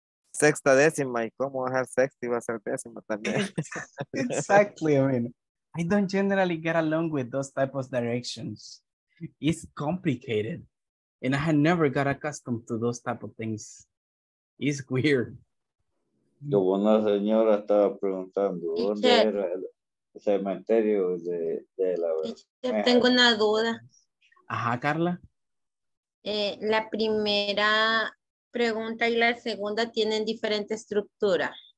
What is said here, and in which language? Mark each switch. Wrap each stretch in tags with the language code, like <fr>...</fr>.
<es>Sexta décima, y cómo bajar sexta y va a ser décima también.</es> <en>Exactly, I mean, I don't generally get along with those types of directions. It's complicated. And I had never got accustomed to those type of things. It's weird.</en> <es>Yo, una señora estaba preguntando dónde era el cementerio de la Bermeja. Tengo una duda. Ajá, Carla. La primera pregunta y la segunda tienen diferente estructura.</es>